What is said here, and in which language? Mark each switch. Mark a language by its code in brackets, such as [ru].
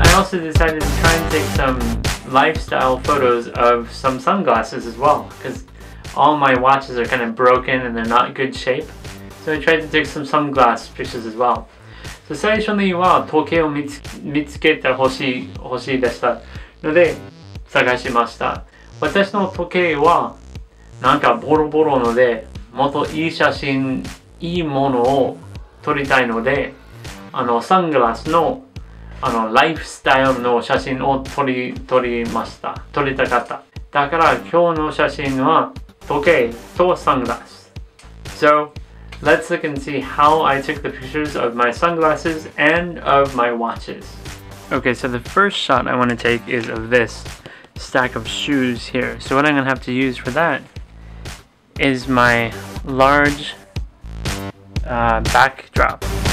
[en] Decided to try and take some lifestyle photos of some sunglasses as well because all my watches are kind of broken and they're not in good shape. So I tried to take some sunglass pictures as well. [ja] So 最初には時計を見つけて欲しいでしたので探しました。私の時計はなんかボロボロのでもっといい写真いいものを撮りたいのでサングラスのライフスタイルの写真を撮りました。撮りたかった。だから今日の写真は時計とサングラス。 [en] So, let's look and see how I took the pictures of my sunglasses and of my watches. Okay, so the first shot I want to take is of this stack of shoes here. So what I'm going to have to use for that is my large backdrop.